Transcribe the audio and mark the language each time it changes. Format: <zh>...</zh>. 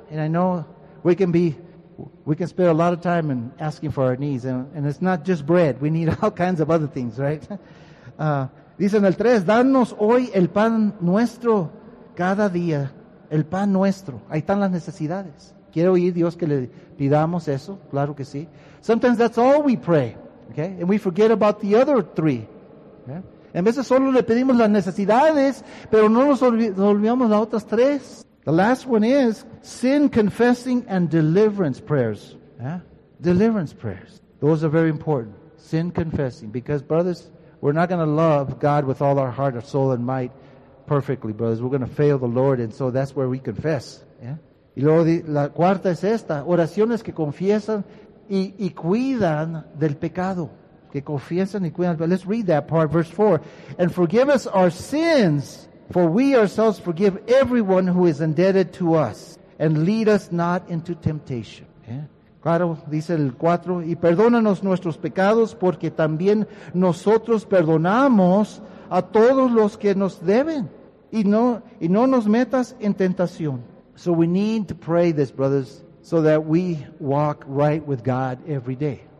<en>And I know we can spend a lot of time in asking for our needs. And it's not just bread. We need all kinds of other things, right?</en> <es>Dice en el 3, danos hoy el pan nuestro cada día. El pan nuestro. Ahí están las necesidades. ¿Quiere oír Dios que le pidamos eso? Claro que sí.</es> <en>Sometimes that's all we pray. Okay? And we forget about the other three. Yeah?</en> <es>En veces solo le pedimos las necesidades, pero no nos olvidamos las otras tres.</es> <en>The last one is sin confessing and deliverance prayers. Yeah? Deliverance prayers. Those are very important. Sin confessing. Because, brothers, we're not going to love God with all our heart, our soul, and might perfectly, brothers. We're going to fail the Lord, and so that's where we confess.</en> <es>Yeah? Y luego la cuarta es esta. Oraciones que confiesan y cuidan del pecado. Que confiesan y cuidan.</es> <en>But let's read that part, verse 4. And forgive us our sins, for we ourselves forgive everyone who is indebted to us. And lead us not into temptation. Yeah.</en> <es>Claro, dice el 4. Y perdónanos nuestros pecados, porque también nosotros perdonamos a todos los que nos deben. Y no nos metas en tentación.</es> <en>So we need to pray this, brothers, so that we walk right with God every day.</en>